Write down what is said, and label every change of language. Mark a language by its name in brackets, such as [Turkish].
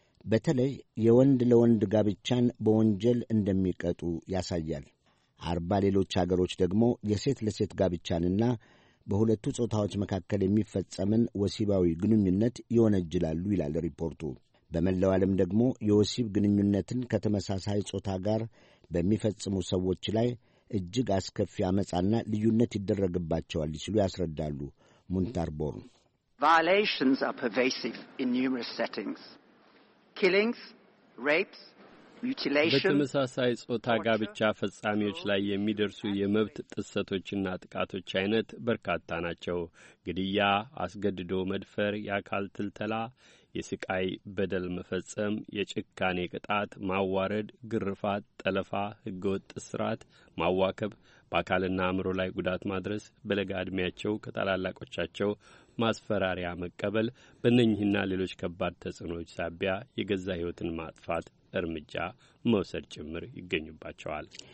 [Amharic] በተለይ የወንድ ለወንድ ጋብቻን በወንጀል እንደሚቀጡ ያሳያል። 40 ሌሎች ሀገሮች ደግሞ የሴት ለሴት ጋብቻንና በሁለቱ ጾታዎች መካከል የሚፈጸምን ወሲባዊ ግንኙነት ይወነጅላሉ ይላል ሪፖርቱ። በመላው ዓለም ደግሞ የወሲብ ግንኙነትን ከተመሳሳይ ጾታ ጋር በሚፈጽሙ ሰዎች ላይ እጅግ አስከፊ አመጻና ልዩነት ይደረግባቸዋል ሲሉ ያስረዳሉ ሙንታርቦር። [English] Violations are pervasive in numerous settings. Killings, rapes, [Amharic] በተመሳሳይ ጾታ ጋብቻ ፈጻሚዎች ላይ የሚደርሱ የመብት ጥሰቶችና ጥቃቶች አይነት በርካታ ናቸው። ግድያ፣ አስገድዶ መድፈር፣ የአካል ትልተላ፣ የስቃይ በደል መፈጸም፣ የጭካኔ ቅጣት፣ ማዋረድ፣ ግርፋት፣ ጠለፋ፣ ህገወጥ ስርዓት፣ ማዋከብ፣ በአካልና አእምሮ ላይ ጉዳት ማድረስ፣ በለጋ ዕድሜያቸው ከታላላቆቻቸው ማስፈራሪያ መቀበል፣ በእነኝህና ሌሎች ከባድ ተጽዕኖዎች ሳቢያ የገዛ ሕይወትን ማጥፋት እርምጃ መውሰድ ጭምር ይገኙባቸዋል።